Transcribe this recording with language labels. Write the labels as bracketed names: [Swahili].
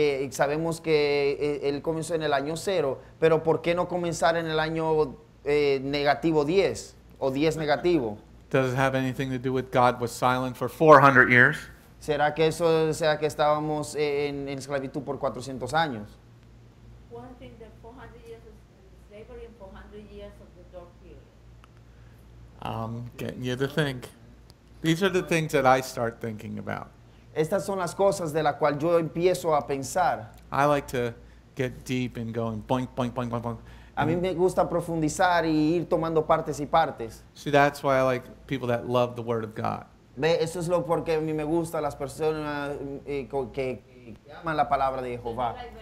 [Spanish] Sabemos que él comenzó en el año cero, pero ¿por qué no comenzar en el año negativo 10 o 10 negativo? [English] Does it have anything to do with God was silent for 400 years? [Spanish] ¿Será que eso sea que estábamos en esclavitud por 400 años? [English] One thing, the 400 years of slavery and 400 years of the dark period. I'm getting you to think. These are the things that I start thinking about. [Spanish] Estas son las cosas de la cual yo empiezo a pensar. [English] I like to get deep and going boink, boink, boink, boink, boink. [Spanish] A mí me gusta profundizar y ir tomando partes y partes. [English] See, that's why I like people that love the Word of God. [Spanish] Ve, eso es lo porque a mí me gusta las personas que aman la palabra de Jehová.